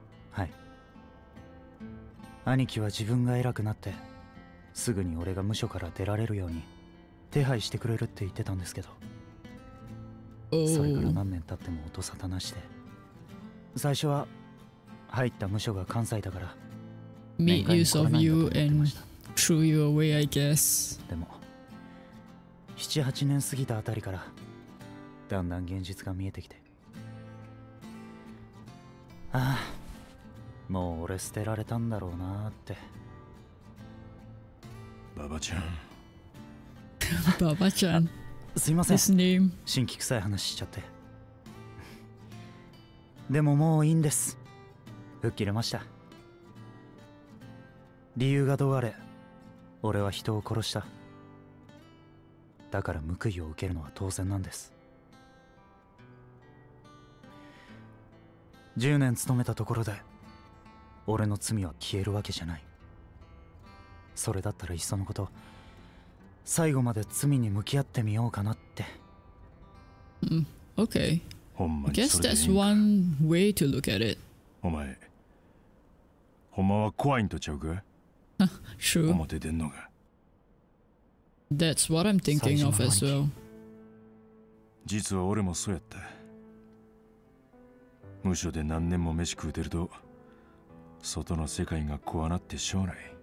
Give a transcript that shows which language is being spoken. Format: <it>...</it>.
<ja>はい、兄貴は自分が偉くなってすぐに俺が無所から出られるように手配してくれるって言ってたんですけど、それから何年経っても音沙汰なしで。最初は入った無所が関西だから</ja> <en>Make use of you and threw you away, I guess。</en> <ja>でも 7,8 年過ぎたあたりからだんだん現実が見えてきて、ああもう俺捨てられたんだろうなって。ババちゃんババちゃんすいません、</ja> <en>This name.</en> <ja>新規臭い話しちゃってでももういいんです、吹っ切れました。理由がどうあれ俺は人を殺した、だから報いを受けるのは当然なんです。 10年勤めたところで俺の罪は消えるわけじゃない。それだったらいっそのこと最後まで罪に向き合ってみようかなって。</ja> <en>Okay.</en> <ja>ほんまに、</ja> <en>I guess that's one way to look at it.</en> <ja>お前、ほんまは怖いんとちゃうか？</ja> <en>True.</en> <ja>表出んのが。</ja> <en>That's what I'm thinking of as well.</en> <ja>実は俺もそうやった。無所で何年も飯食うてると外の世界が怖なってしょうない。</ja>